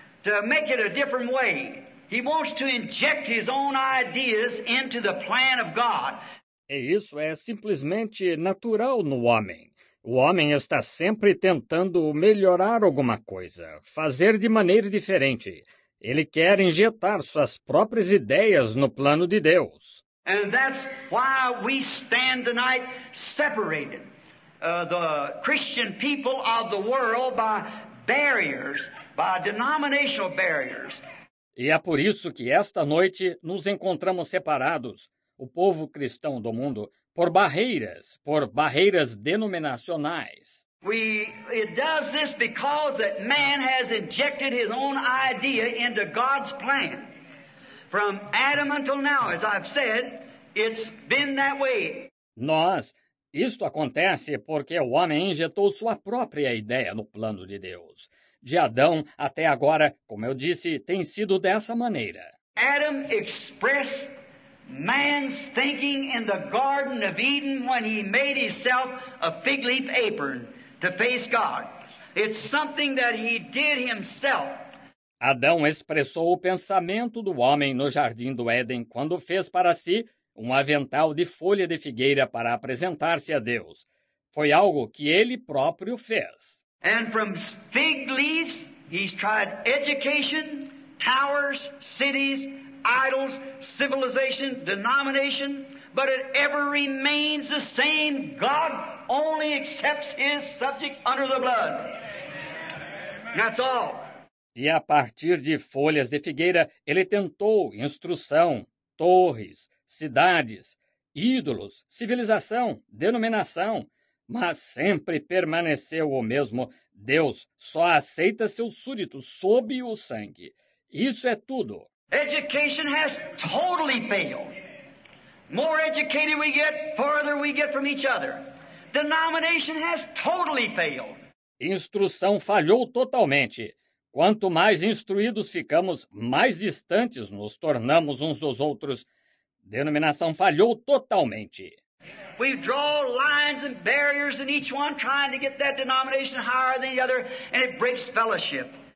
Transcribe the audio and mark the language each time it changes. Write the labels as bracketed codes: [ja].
[en] To make it a different way. He wants to inject his own ideas into the plan of God. [pt] E isso é simplesmente natural no homem. O homem está sempre tentando melhorar alguma coisa, fazer de maneira diferente. Ele quer injetar suas próprias ideias no plano de Deus. [en] And that's why we stand tonight separated. The Christian people of the world by barriers, by denominational barriers. [pt] E é por isso que esta noite nos encontramos separados, o povo cristão do mundo, por barreiras denominacionais. [en] It does this because that man has injected his own idea into God's plan. From Adam until now, as I've said, it's been that way. [pt] Nós, Isto acontece porque o homem injetou sua própria ideia no plano de Deus. De Adão até agora, como eu disse, tem sido dessa maneira. [en] Adam expressed man's thinking in the Garden of Eden when he made himself a fig leaf apron to face God. It's something that he did himself. [pt] Adão expressou o pensamento do homem no Jardim do Éden quando fez para si um avental de folha de figueira para apresentar-se a Deus. Foi algo que ele próprio fez. [en] And from fig leaves, he's tried education, towers, cities, idols, civilization, denomination, but it ever remains the same. God only accepts his subjects under the blood. That's all. [pt] E a partir de folhas de figueira, ele tentou instrução, torres, cidades, ídolos, civilização, denominação, mas sempre permaneceu o mesmo. Deus só aceita seus súditos sob o sangue. Isso é tudo. [en] Education has totally failed. More educated we get, farther we get from each other. Denomination has totally failed. [pt] Instrução falhou totalmente. Quanto mais instruídos ficamos, mais distantes nos tornamos uns dos outros. Denominação falhou totalmente. [en] We draw lines and barriers in each one trying to get that denomination higher than the other, and it breaks fellowship.